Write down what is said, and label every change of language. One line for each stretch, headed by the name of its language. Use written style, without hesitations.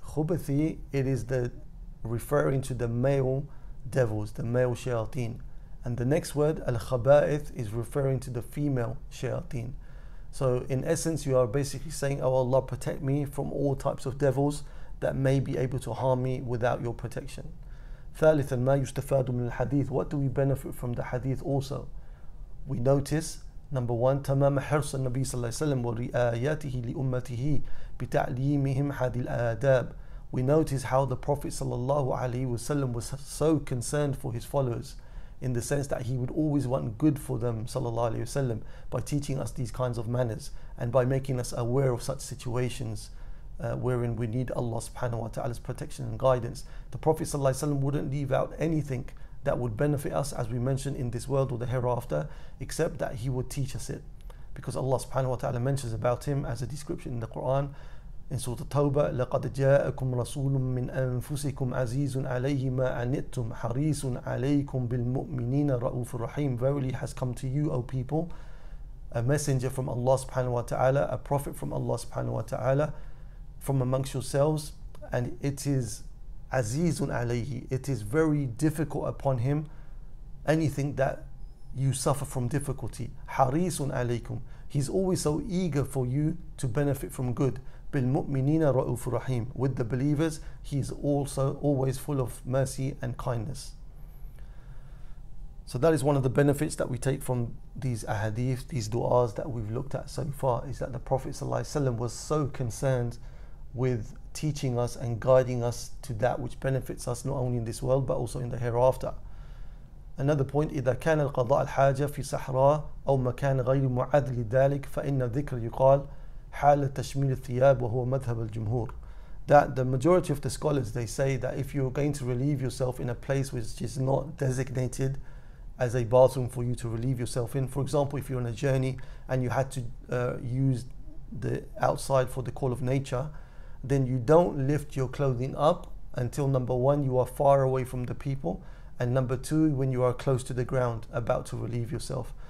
English: Khubthi, it is the referring to the male devils, the male shayateen. And the next word, al-khaba'ith, is referring to the female shayateen. So in essence, you are basically saying, oh Allah, protect me from all types of devils that may be able to harm me without your protection.
Arabic: ثَالِثًا مَا يُسْتَفَادُ مِنَ الْحَدِيثِ.
English: What do we benefit from the hadith also? We notice, number one,
Arabic: تَمَامَ حِرْصَ النَّبِي صَلَّى اللَّهِ وَسَلَّمَ وَرِئَايَتِهِ لِأُمَّتِهِ بِتَعْلِيمِهِمْ هَذِي الْآدَابِ.
English: We notice how the Prophet ﷺ was so concerned for his followers, in the sense that he would always want good for them ﷺ, by teaching us these kinds of manners and by making us aware of such situations wherein we need Allah subhanahu wa ta'ala's protection and guidance. The Prophet ﷺ wouldn't leave out anything that would benefit us, as we mentioned, in this world or the hereafter, except that he would teach us it, because Allah subhanahu wa ta'ala mentions about him as a description in the Quran. In Surah At-Tawbah,
Arabic: لَقَدْ جَاءَكُمْ رَسُولٌ مِّنْ أَنفُسِكُمْ عَزِيزٌ عَلَيْهِ مَا عَنِتُّمْ حَرِيصٌ عَلَيْكُمْ بِالْمُؤْمِنِينَ رَؤُوفُ الرَّحِيمُ.
English: Verily has come to you, O people, a messenger from Allah subhanahu wa ta'ala, a prophet from Allah subhanahu wa ta'ala, from amongst yourselves, and it is
Arabic: عَزِيزٌ عَلَيْهِ,
English: it is very difficult upon him, anything that you suffer from difficulty.
Arabic: حَرِيصٌ عَلَيْكُمْ,
English: he's always so eager for you to benefit from good.
Arabic: بِالْمُؤْمِنِينَ رَؤُوفُ رَحِيمٌ,
English: with the believers, he is also always full of mercy and kindness. So that is one of the benefits that we take from these ahadith, these du'as that we've looked at so far, is that the Prophet ﷺ was so concerned with teaching us and guiding us to that which benefits us not only in this world but also in the hereafter. Another point,
Arabic: إِذَا كَانَ الْقَضَاءَ الْحَاجَ فِي سَحْرًا أَوْ مَكَانَ غَيْرُ مُعَذٍ لِذَلِكَ فَإِنَّ ذِكْرَ يُقَالَ حال تشميل الثياب وهو مذهب الجمهور.
English: That the majority of the scholars, they say that if you're going to relieve yourself in a place which is not designated as a bathroom for you to relieve yourself in, for example, if you're on a journey and you had to use the outside for the call of nature, then you don't lift your clothing up until, number one, you are far away from the people, and number two, when you are close to the ground about to relieve yourself.